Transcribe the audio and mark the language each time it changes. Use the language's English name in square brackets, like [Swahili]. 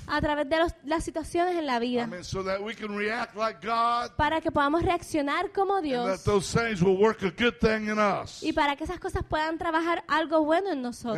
[Spanish] A través de las situaciones en la vida. [English] I mean, so that we can react like God. [Spanish] Para que podamos reaccionar como Dios. [English] And that those things will work a good thing in us. [Spanish] Y para que esas cosas puedan trabajar algo bueno en nosotros.